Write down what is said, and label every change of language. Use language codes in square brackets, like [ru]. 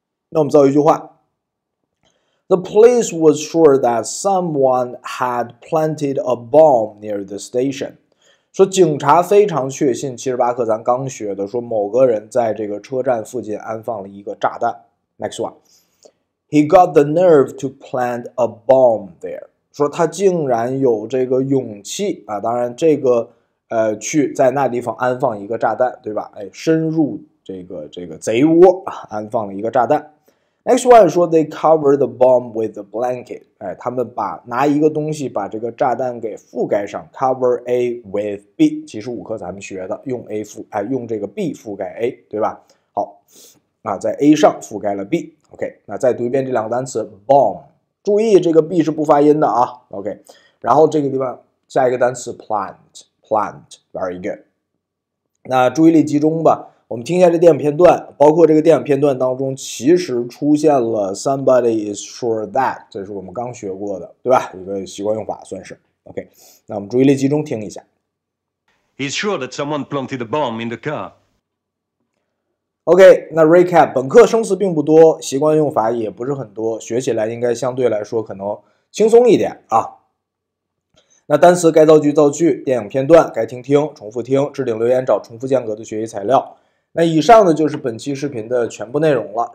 [zh] 那我们造一句话 [en] ：The police was sure that someone had planted a bomb near the station。 [zh] 说警察非常确信，78课咱刚学的，说某个人在这个车站附近安放了一个炸弹。 [en] Next one。 He got the nerve to plant a bomb there. [zh] 说他竟然有这个勇气啊！当然，这个去在那地方安放一个炸弹，对吧？哎，深入这个贼窝啊，安放了一个炸弹。 [en] Next one 说 they covered the bomb with a blanket. [zh] 哎，他们拿一个东西把这个炸弹给覆盖上 ， [en] cover A with B. [zh] 其实五课咱们学的，用 A 覆哎，用这个 B 覆盖 A， 对吧？好啊，在 A 上覆盖了 B。OK， 那再读一遍这两个单词 ，bomb， 注意这个 b 是不发音的啊。 OK， 然后这个地方下一个单词 ，plant， [en] very good。 [zh] 那注意力集中吧，我们听一下这电影片段，包括这个电影片段当中，其实出现了 [en] somebody is sure that， [zh] 这是我们刚学过的，对吧？一个习惯用法算是。 OK， 那我们注意力集中听一下。 [en] He's sure that someone planted a bomb in the car. [zh] OK， 那 recap 本课生词并不多，习惯用法也不是很多，学起来应该相对来说可能轻松一点啊。那单词该造句造句，电影片段该听听重复听，置顶留言找重复间隔的学习材料。那以上呢就是本期视频的全部内容了。